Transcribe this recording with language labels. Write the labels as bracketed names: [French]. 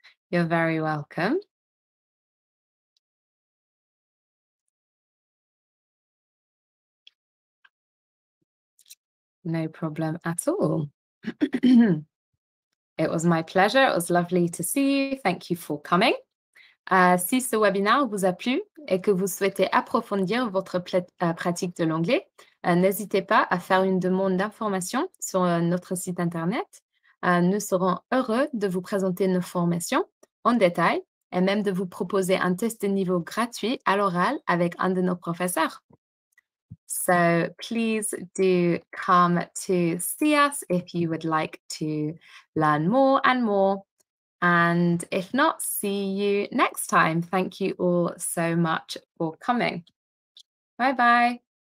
[English] You're very welcome. No problem at all. It was my pleasure. It was lovely to see you. Thank you for coming. [French] Si ce webinaire vous a plu et que vous souhaitez approfondir votre pratique de l'anglais, n'hésitez pas à faire une demande d'information sur notre site Internet. Nous serons heureux de vous présenter nos formations en détail et même de vous proposer un test de niveau gratuit à l'oral avec un de nos professeurs. [English] So please do come to see us if you would like to learn more and more. And if not, see you next time. Thank you all so much for coming. Bye-bye.